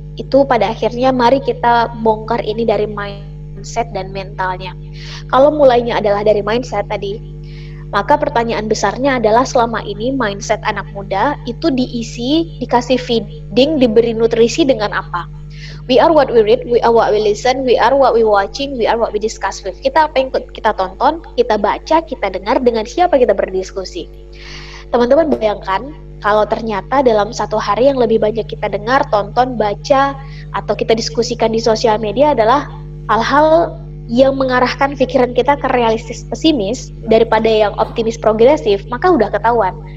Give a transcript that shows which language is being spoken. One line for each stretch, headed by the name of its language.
Indonesian: Itu pada akhirnya mari kita bongkar ini dari mindset dan mentalnya. Kalau mulainya adalah dari mindset tadi, maka pertanyaan besarnya adalah selama ini mindset anak muda itu diisi, dikasih feeding, diberi nutrisi dengan apa?
English: We are what we read, we are what we listen, we are what we watching, we are what we discuss with.
Indonesian: Kita apa yang kita tonton, kita baca, kita dengar, dengan siapa kita berdiskusi. Teman-teman bayangkan, kalau ternyata dalam satu hari yang lebih banyak kita dengar, tonton, baca, atau kita diskusikan di sosial media adalah hal-hal yang mengarahkan pikiran kita ke realistis pesimis daripada yang optimis progresif, maka udah ketahuan.